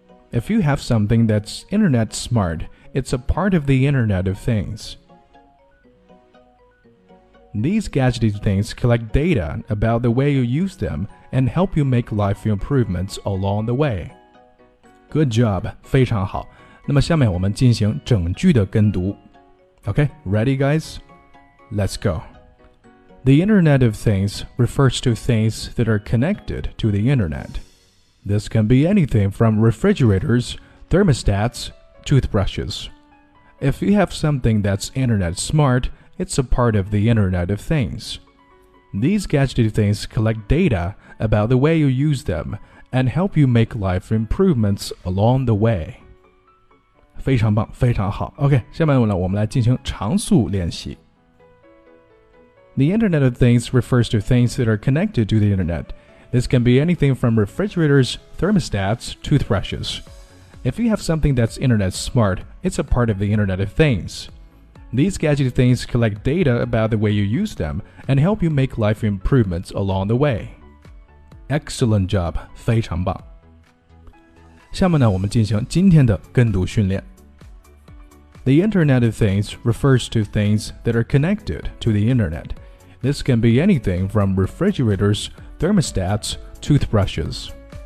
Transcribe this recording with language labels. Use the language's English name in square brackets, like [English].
[English] If you have something that's internet smart, it's a part of the Internet of Things. These gadgety things collect data about the way you use them and help you make life improvements along the way. Good job, [Chinese] 非常好。那么下面我们进行整句的跟读。 [English] OK, ready guys? Let's go. The Internet of Things refers to things that are connected to the Internet. This can be anything from refrigerators, thermostats, toothbrushes. If you have something that's internet smart, it's a part of the Internet of Things. These gadgety things collect data about the way you use them and help you make life improvements along the way. [Chinese] 非常棒，非常好。 OK, 下面呢，我们来进行长速练习。 [English] The Internet of Things refers to things that are connected to the Internet. This can be anything from refrigerators, thermostats, toothbrushes. If you have something that's internet smart, it's a part of the Internet of Things. These gadget things collect data about the way you use them and help you make life improvements along the way. Excellent job, [Chinese] 非常棒。下面呢，我们进行今天的跟读训练。 [English] The Internet of Things refers to things that are connected to the Internet. This can be anything from refrigerators, thermostats, toothbrushes.